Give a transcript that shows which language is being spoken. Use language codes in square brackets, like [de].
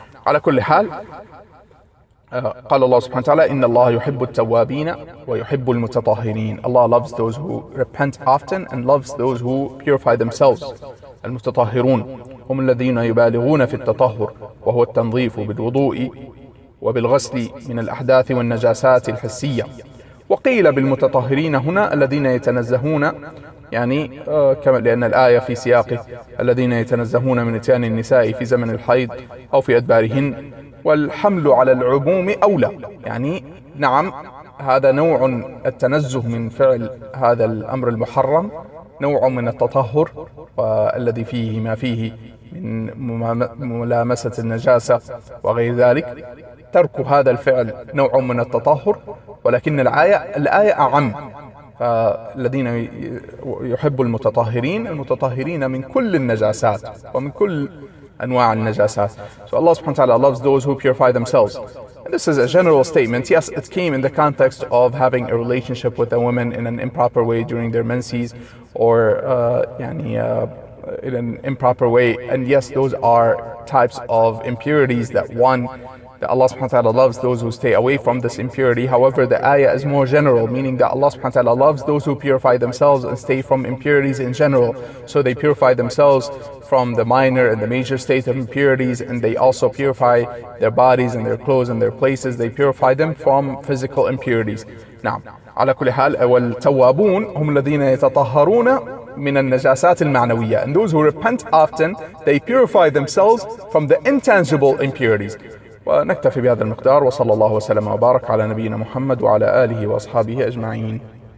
[ar] Ala kulli hal, قال الله سبحانه وتعالى إن الله يحب التوابين ويحب المتطهرين. [en] Allah loves those who repent often and loves those who purify themselves. [ar] المتطهرون هم الذين يبالغون في التطهر وهو التنظيف بالوضوء وبالغسل من الأحداث والنجاسات الحسية. وقيل بالمتطهرين هنا الذين يتنزهون, يعني كما لأن الآية في سياقه, الذين يتنزهون من إتيان النساء في زمن الحيض أو في أدبارهن والحمل على العموم أولى. يعني نعم, هذا نوع التنزه من فعل هذا الأمر المحرم, نوع من التطهر, والذي فيه ما فيه من ملامسة النجاسة وغير ذلك. ترك هذا الفعل نوع من التطهر, ولكن الآية أعم. فالذين يحب المتطهرين, المتطهرين من كل النجاسات ومن كل أنواع النجاسات. [en] So Allah subhanahu wa ta'ala loves those who purify themselves. And this is a general statement. Yes, it came in the context of having a relationship with a woman in an improper way during their menses, or in an improper way. And yes, those are types of impurities that one, that Allah subhanahu wa ta'ala loves those who stay away from this impurity. However, the ayah is more general, meaning that Allah subhanahu wa ta'ala loves those who purify themselves and stay from impurities in general. So they purify themselves from the minor and the major state of impurities, and they also purify their bodies and their clothes and their places. They purify them from physical impurities. [ar] Now, على كل حال, والتوابون هم الذين يتطهرون من النجاسات المعنوية. [en] And those who repent often, they purify themselves from the intangible impurities. [ar] ونكتفي بهذا المقدار, وصلى الله وسلم وبارك على نبينا محمد وعلى آله وأصحابه أجمعين.